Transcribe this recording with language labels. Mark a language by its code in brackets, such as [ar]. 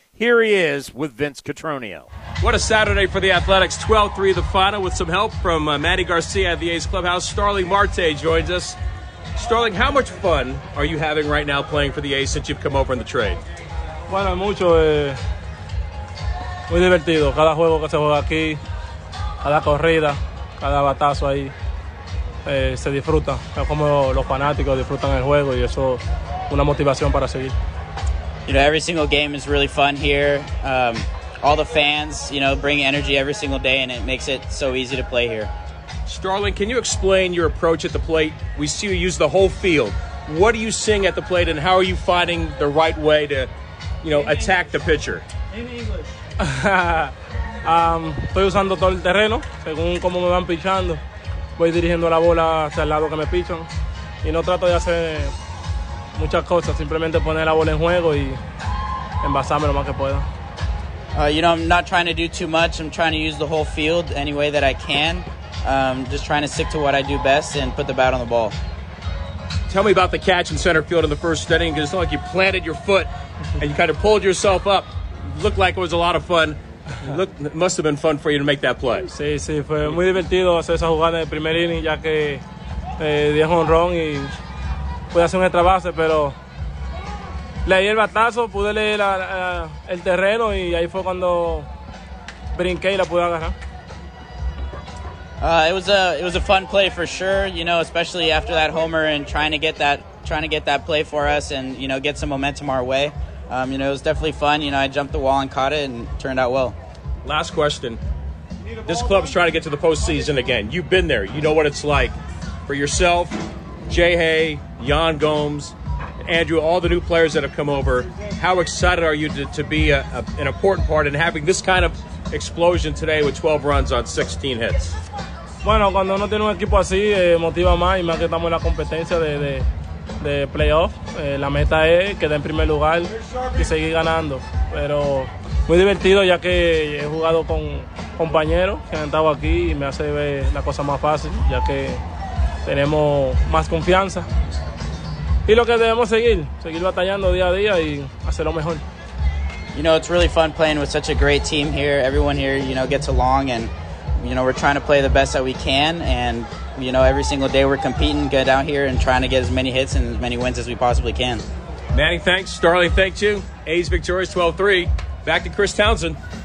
[en] Here he is with Vince Catronio. What a Saturday for the Athletics. 12-3 the final with some help from Manny Garcia at the A's Clubhouse. Starling Marte joins us. Starling, how much fun are you having right now playing for the A's since you've come over in the trade? [es] Bueno, mucho. Muy divertido. Cada juego que se juega aquí, cada corrida, cada batazo ahí, se disfruta. Es como los fanáticos disfrutan el juego y eso una motivación para seguir. [en] You know, every single game is really fun here. All the fans, you know, bring energy every single day, and it makes it so easy to play here. Starling, can you explain your approach at the plate? We see you use the whole field. What are you seeing at the plate, and how are you finding the right way to, you know, attack the pitcher? In English. [es] Estoy usando todo el terreno, según cómo me van pichando. Voy dirigiendo la bola hacia el lado que me pichan. Y no trato de hacer muchas cosas, simplemente poner la bola en juego y envasarme lo más que pueda. [en] You know, I'm not trying to do too much. I'm trying to use the whole field any way that I can. Just trying to stick to what I do best and put the bat on the ball. Tell me about the catch in center field in the first inning, because it's not like you planted your foot and you kind of pulled yourself up. Looked like it was a lot of fun. It must have been fun for you to make that play. [es] Sí, sí, fue muy divertido hacer esa jugada en el primer inning, ya que dio un ron y pude hacer un extra base, pero leí el batazo, pude leer el terreno, y ahí fue cuando brinqué y la pude agarrar. [en] It was a fun play for sure, you know, especially after that homer and trying to get that play for us and, you know, get some momentum our way. You know, it was definitely fun. You know, I jumped the wall and caught it and turned out well. Last question. This club's trying to get to the postseason again. You've been there. You know what it's like for yourself, Jay Hay, Yan Gomes, Andrew, all the new players that have come over. How excited are you to be an important part in having this kind of explosion today with 12 runs on 16 hits? [es] Bueno, cuando uno tiene un equipo así, motiva más, y más que estamos en la competencia de playoff. La meta es quedar en primer lugar y seguir ganando. Pero muy divertido, ya que he jugado con compañeros que han estado aquí y me hace ver la cosa más fácil, ya que tenemos más confianza. Y lo que debemos seguir batallando día a día y hacer lo mejor. [en] You know, it's really fun playing with such a great team here. Everyone here, you know, gets along, and you know, we're trying to play the best that we can, and you know, every single day we're competing, get out here and trying to get as many hits and as many wins as we possibly can. Manny, thanks. Starling, thank you. A's victorious 12-3. Back to Chris Townsend.